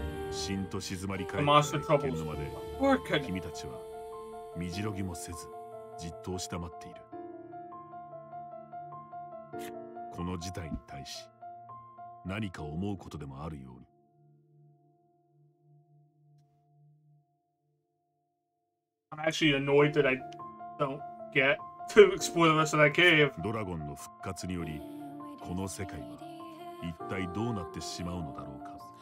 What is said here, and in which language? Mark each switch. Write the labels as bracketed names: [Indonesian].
[Japanese] しんと静まり返った一軒の間で、君たちはみじろぎもせずじっと押し黙っている。この事態に対し何か思うことでもあるように。 [English] I'm actually annoyed that I don't get to explore the rest of that cave. [Japanese] ドラゴンの復活によりこの世界は一体どうなってしまうのだろうか。